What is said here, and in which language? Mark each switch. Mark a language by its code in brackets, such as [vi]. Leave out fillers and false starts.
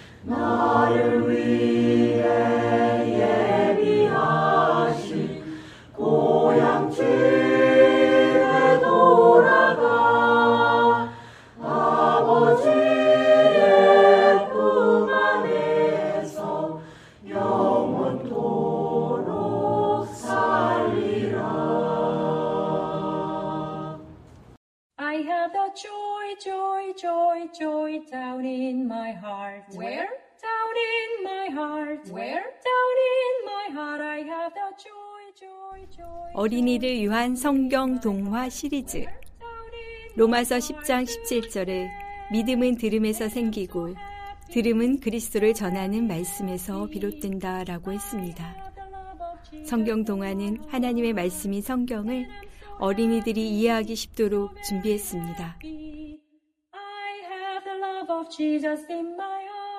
[ko] 나를 위해 예비하신 고향 집에 돌아가 아버지의 품 안에서 영원토록 살리라. [en] I have the joy, joy, joy, joy down in my heart. Where? Down in my heart. Where? Down in my heart. I have the joy, joy, joy. [ko] 어린이를 위한 성경 동화 시리즈. 로마서 10장 17절에 믿음은 들음에서 생기고 들음은 그리스도를 전하는 말씀에서 비롯된다라고 했습니다. 성경 동화는 하나님의 말씀인 성경을 어린이들이 이해하기 쉽도록 준비했습니다. [en] I have the love of Jesus in my heart.